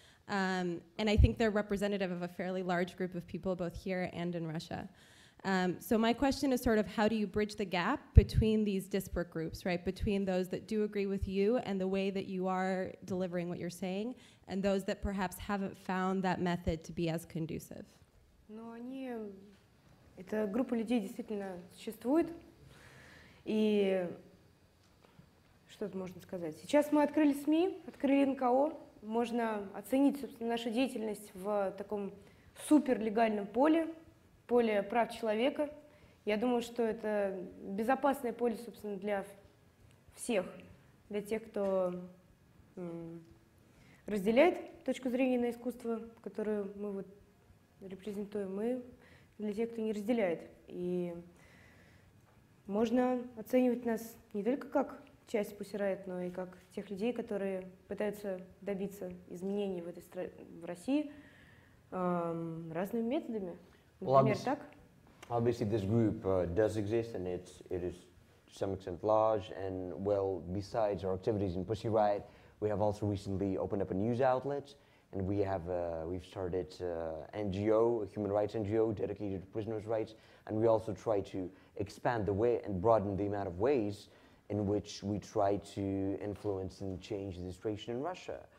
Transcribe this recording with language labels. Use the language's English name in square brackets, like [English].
[English] And I think they're representative of a fairly large group of people both here and in Russia. So my question is sort of, how do you bridge the gap between these disparate groups, right? Between those that do agree with you and the way that you are delivering what you're saying, and those that perhaps haven't found that method to be as conducive? [Russian] Ну, они, эта группа людей действительно существует, и что тут можно сказать? Сейчас мы открыли СМИ, открыли НКО, можно оценить, собственно, нашу деятельность в таком суперлегальном поле, поле прав человека. Я думаю, что это безопасное поле, собственно, для всех, для тех, кто разделяет точку зрения на искусство, которую мы вот репрезентуем, и для тех, кто не разделяет. И можно оценивать нас не только как часть Pussy Riot, но и как тех людей, которые пытаются добиться изменений в этой в России разными методами. [English] Well, obviously this group does exist, and it is to some extent large, and well, besides our activities in Pussy Riot, we have also recently opened up a news outlet, and we've started an NGO, a human rights NGO dedicated to prisoners' rights, and we also try to expand the way and broaden the amount of ways in which we try to influence and change the situation in Russia.